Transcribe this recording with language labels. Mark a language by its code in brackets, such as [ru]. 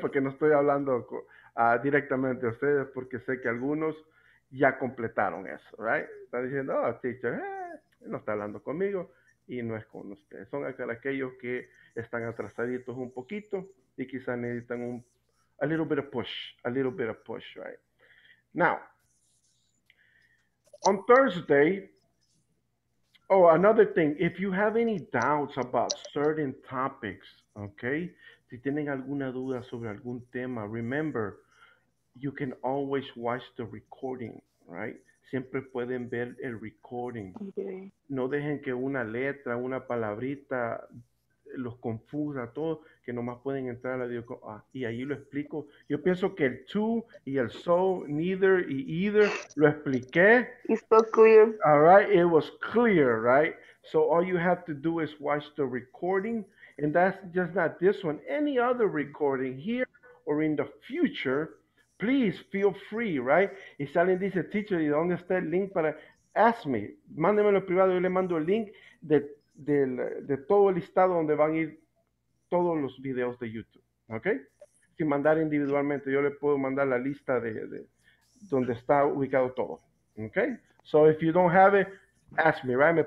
[es] Porque no estoy hablando directamente a ustedes, porque sé que algunos ya completaron eso, right? Están diciendo, oh, teacher, no está hablando conmigo y no es con ustedes. Son aquellos que están atrasaditos un poquito y quizás necesitan [en] a little bit of push, a little bit of push, right? Now, on Thursday, oh, another thing, if you have any doubts about certain topics, okay? [es] Si tienen alguna duda sobre algún tema, [en] remember, you can always watch the recording, right? [es] Siempre pueden ver el recording. [en] Okay. [es] No dejen que una letra, una palabrita los confunda todo, que nomás pueden entrar a la video. Ah, y ahí lo explico. Yo pienso que el to y el so, neither y either, lo expliqué. [en] It's so clear. All right, it was clear, right? So all you have to do is watch the recording. And that's just not this one. Any other recording here or in the future, please feel free, right? [es] Y salen dice, teacher, ¿y dónde está el link para? [en] Ask me. [es] Mándenme en privado, yo le mando el link de todo el listado donde van a ir todos los videos de YouTube, ¿ok? Sin mandar individualmente, yo le puedo mandar la lista de donde está ubicado todo, ¿ok? [en] So if you don't have it, ask me, right?